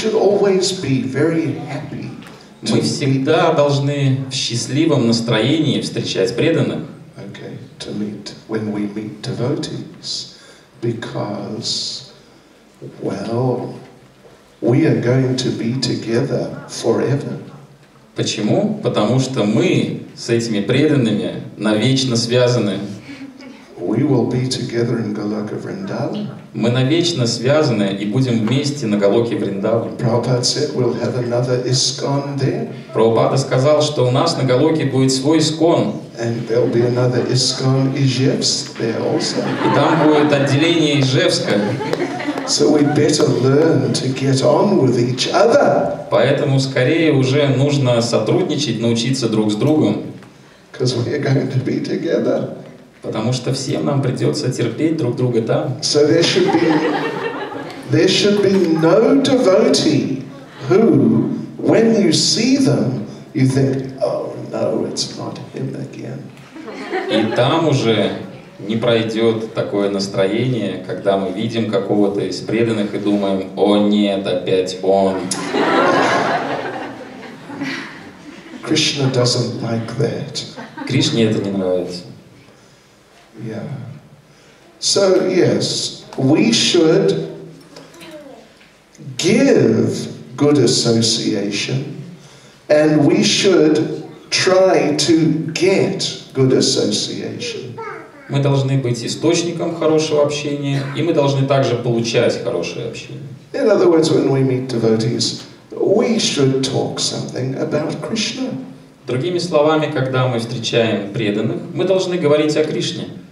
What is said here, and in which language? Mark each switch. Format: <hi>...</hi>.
<ru>Мы всегда должны в счастливом настроении встречать преданных.</ru> <en>Okay, to meet when we meet devotees, because well, we are going to be together forever.</en> <ru>Почему? Потому что мы с этими преданными навечно связаны.</ru> <en>We will be together in Goloka Vrindavan.</en> <ru>Мы навечно связаны и будем вместе на Голоке Вриндаван.</ru> <en>Prabhupada said we'll have another ISKCON there.</en> <ru>Прабхупада сказал, что у нас на Голоке будет свой ИСККОН.</ru> <en>And there'll be another ISKCON Ижевск there also.</en> <ru>И там будет отделение Ижевска.</ru> <en>So we better learn to get on with each other.</en> <ru>Поэтому скорее уже нужно сотрудничать, научиться друг с другом.</ru> <en>Because we're going to be together.</en> <ru>Потому что всем нам придется терпеть друг друга там.</ru> <en>So there should be no devotee who, when you see them, you think, oh no, it's not him again.</en> <ru>И там уже не пройдет такое настроение, когда мы видим какого-то из преданных и думаем, о нет, опять он.</ru> <en>Krishna doesn't like that.</en> <ru>Кришне это не нравится.</ru> <en>Yeah. So yes, we should give good association, and we should try to get good association.</en> <ru>Мы должны быть источником хорошего общения, и мы должны также получать хорошее общение.</ru> <en>In other words, when we meet devotees, we should talk something about Krishna.</en> <ru>Другими словами, когда мы встречаем преданных, мы должны говорить о Кришне.</ru>